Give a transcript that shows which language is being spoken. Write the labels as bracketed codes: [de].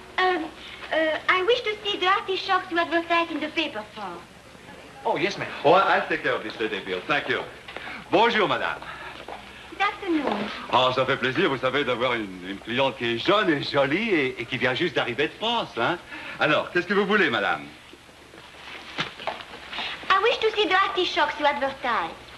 [en] I wish to see the artichokes you advertise in the paper for. Oh, yes, ma'am. Oh, I'll take care of this today, Bill. Thank you. [fr] Bonjour, madame. [en] Good afternoon. [fr] Oh, ça fait plaisir, vous savez, d'avoir une cliente qui est jeune et jolie et qui vient juste d'arriver de France, hein? Alors, qu'est-ce que vous voulez, madame? [en] I wish to see the artichokes you advertise.